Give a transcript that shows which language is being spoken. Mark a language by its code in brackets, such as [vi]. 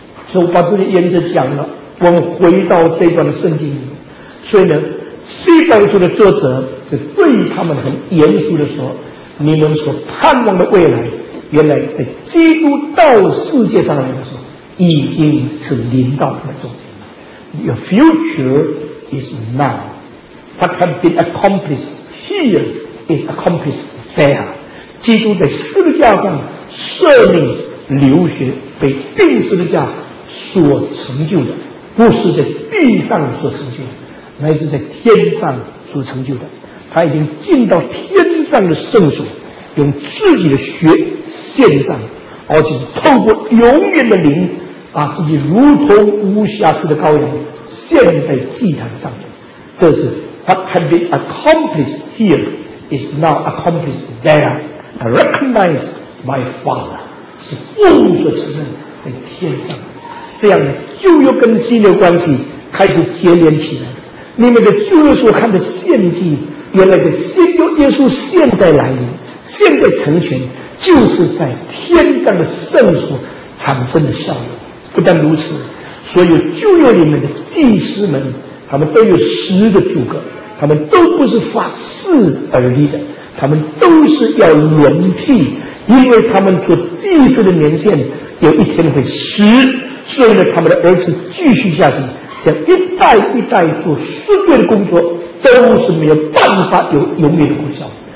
[zh] 所以我把这个原则讲了，我们回到这段的圣经里面。所以呢，希伯来书的作者就对他们很严肃地说：你们所盼望的未来，原来在基督到世界上来的时候已经是临到他们中间了。 [en] Your future is now, what has been accomplished here is accomplished there。 [zh] 基督在十字架上舍命流血被钉十字架所成就的，不是在地上所成就的，乃是在天上所成就的。他已经进到天上的圣所，用自己的血献上，而且是透过永远的灵，把自己如同无瑕疵的羔羊献在祭坛上面。这是 [en] what had been accomplished here is now accomplished there and recognized by Father, [zh] 是父所承认在天上。这样旧约跟新约关系开始结连起来，你们的旧约所看的献祭，原来的新约耶稣现在来临，现在成全，就是在天上的圣所产生的效应。不但如此，所有旧约里面的祭司们，他们都有十个主格，他们都不是发誓而立的，他们都是要轮替，因为他们做祭司的年限有一天会死，所以呢，他们的儿子继续下去，像一代一代做赎罪的工作，都是没有办法有永远的功效。